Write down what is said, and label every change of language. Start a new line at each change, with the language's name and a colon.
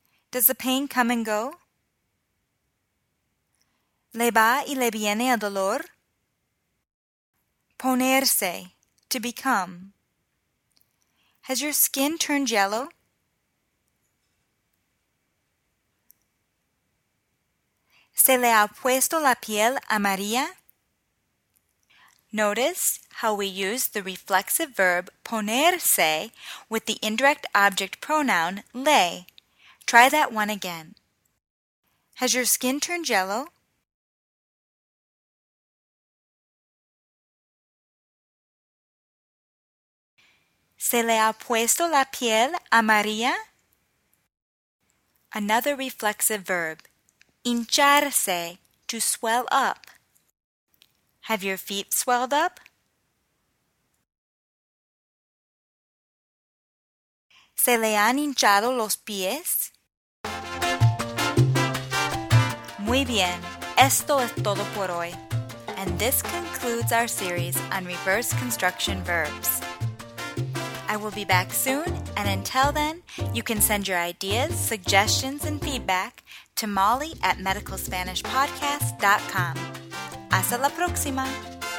English: Does the pain come and go?
Spanish: ¿Le va y le viene el dolor?
English: Ponerse, to become. Has your skin turned yellow?
Spanish: ¿Se le ha puesto la piel amarilla?
English: Notice how we use the reflexive verb ponerse with the indirect object pronoun le. Try that one again. Has your skin turned yellow?
Spanish: ¿Se le ha puesto la piel amarilla?
English: Another reflexive verb, hincharse, to swell up. Have your feet swelled up?
Spanish: ¿Se le han hinchado los pies? Muy bien, esto es todo por hoy.
English: And this concludes our series on reverse construction verbs. I will be back soon, and until then, you can send your ideas, suggestions, and feedback to Molly at medicalspanishpodcast.com.
Spanish: Hasta la próxima!